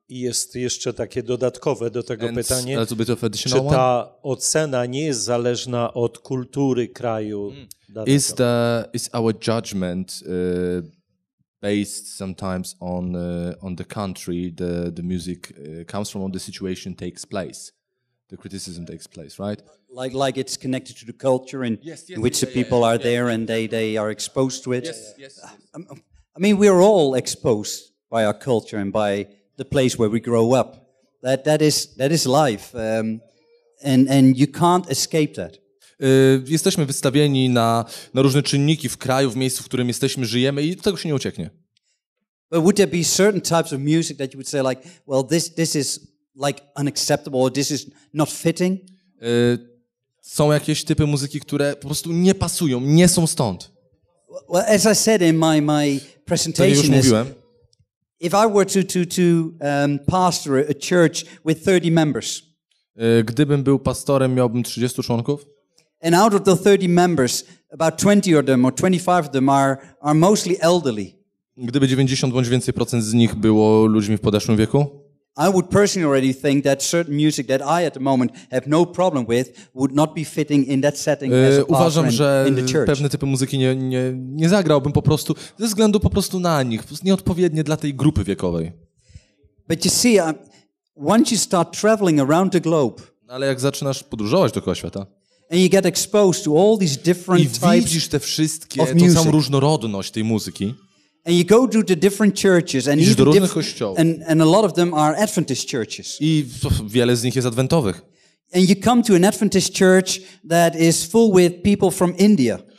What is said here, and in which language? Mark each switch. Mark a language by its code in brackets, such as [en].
[pl] I jest jeszcze takie dodatkowe do tego pytanie. [en] A little bit of additional [pl] czy [en] one? [pl] Ta ocena nie jest zależna od kultury kraju danego? [en] Is our judgment based sometimes on the country the music comes from, or the situation takes place? The criticism takes place, right? Like it's connected to the culture and which people are there and they are exposed to it. Yes, yes, yes. I mean, we're all exposed by our culture and by the place where we grow up. That is life. And you can't escape that. [pl] Jesteśmy wystawieni na różne czynniki w kraju, w miejscu, w którym jesteśmy, żyjemy i tego się nie ucieknie. [en] But would there be certain types of music that you would say like, well, this is like unacceptable, or this is not fitting? [pl] Są jakieś typy muzyki, które po prostu nie pasują, nie są stąd. [en] Well, as I said in my presentation, [pl] tak już mówiłem, [en] if I were to pastor a church with 30 members, [pl] gdybym był pastorem, miałbym 30 członków. [en] And out of the 30 members, about 20 of them or 25 of them are mostly elderly. [pl] Gdyby 90 bądź więcej procent z nich było ludźmi w podeszłym wieku. [en] I would personally already think that certain music that I at the moment have no problem with would not be fitting in that setting as a pastor. [pl] Uważam, że [en] in the church. [pl] Pewne typy muzyki nie zagrałbym po prostu ze względu po prostu na nich, po prostu nieodpowiednie dla tej grupy wiekowej. [en] But you see, once you start traveling around the globe. [pl] Ale jak zaczynasz podróżować dookoła świata. [en] And you get exposed to all these different types. [pl] I widzisz te wszystkie, tą samą różnorodność tej muzyki. [en] And you go to the different churches and [pl] do różnych kościołów. [en] And a lot of them are Adventist churches. [pl] I wiele z nich jest adwentowych. [en] And you come to an Adventist church that is full with people from India.